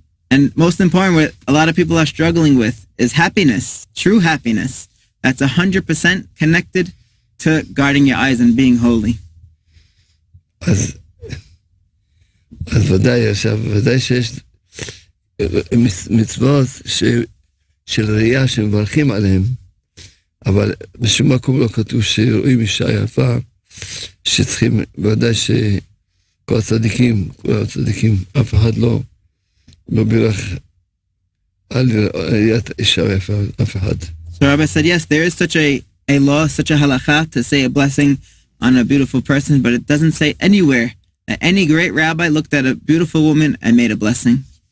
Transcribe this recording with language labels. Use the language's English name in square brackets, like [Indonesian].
[English] And most important, what a lot of people are struggling with is happiness, true happiness. That's 100% connected to guarding your eyes and being holy. [Hebrew] אז ודאי עכשיו, ודאי שיש מצוות של ראייה שמברכים עליהם, אבל בשום מקום לא כתוב שרואים אישה יפה, שצריכים, ודאי שכל הצדיקים, כל הצדיקים, אף אחד לא בירך על ראיית אישה יפה, אף אחד. [English] So Rabbi said, yes, there is such a law, such a halakha to say a blessing on a beautiful person, but it doesn't say anywhere that any great rabbi looked at a beautiful woman and made a blessing.